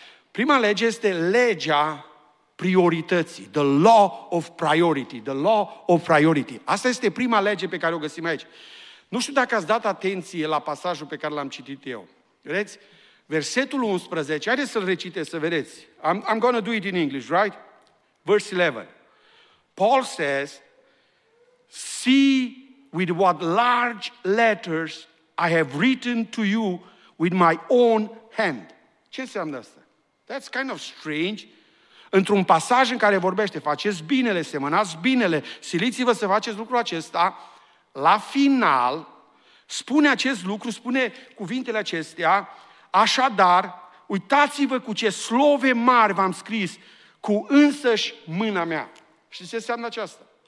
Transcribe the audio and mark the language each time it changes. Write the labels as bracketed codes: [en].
[ro] Prima lege este legea priorității, [en] the law of priority, the law of priority. [ro] Asta este prima lege pe care o găsim aici. Nu știu dacă ați dat atenție la pasajul pe care l-am citit eu. Vedeți? Versetul 11, haideți să-l recitesc, să vedeți. [en] I'm going to do it in English, right? Verse 11. Paul says, see with what large letters I have written to you with my own hand. [ro] Ce înseamnă asta? [en] That's kind of strange. [ro] Într-un pasaj în care vorbește, faceți binele, semănați binele, siliți-vă să faceți lucrul acesta, la final spune acest lucru, spune cuvintele acestea, așadar, uitați-vă cu ce slove mari v-am scris, cu însăși mâna mea. Și ce înseamnă aceasta?